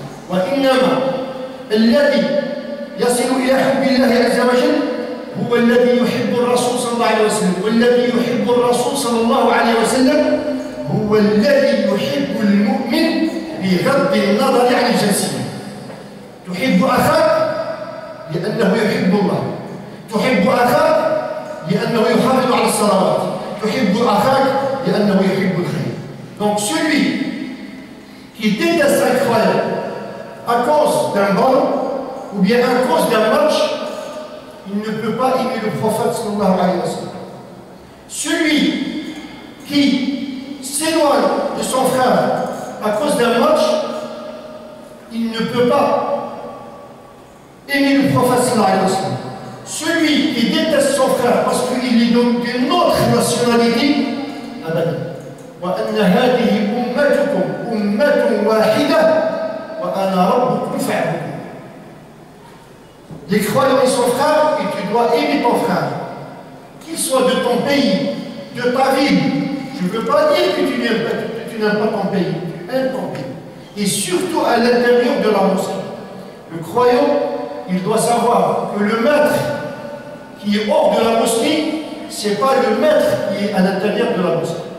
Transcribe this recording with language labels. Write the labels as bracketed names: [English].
[Arabic] وإنما الذي يصل إلى حب الله عز وجل هو الذي يحب الرسول صلى الله عليه وسلم، والذي يحب الرسول صلى الله عليه وسلم هو الذي يحب المؤمن بغض النظر عن الجنسية. تحب أخاك لأنه يحب الله، تحب أخاك لأنه يحافظ على الصلوات، تحب أخاك لأنه يحب الخير. [French] دونك celui qui déteste un croyant à cause d'un bon ou bien à cause d'un match, il ne peut pas aimer le prophète صلى الله عليه وسلم. Celui qui s'éloigne de son frère à cause d'un match, il ne peut pas aimer le prophète صلى الله عليه وسلم. Celui qui déteste son frère parce qu'il est d'une autre nationalité, abadan. [Arabic] وأن هذه أمتكم أمة واحدة وأنا ربكم فاعبدون. [French] Les croyants et son frère, et tu dois aimer ton frère, qu'il soit de ton pays, de ta ville. Je ne veux pas dire que tu n'aimes pas, que tu n'aimes pas ton pays, aime ton pays. Et surtout à l'intérieur de la mosquée. Le croyant, il doit savoir que le maître qui est hors de la mosquée, ce n'est pas le maître qui est à l'intérieur de la mosquée.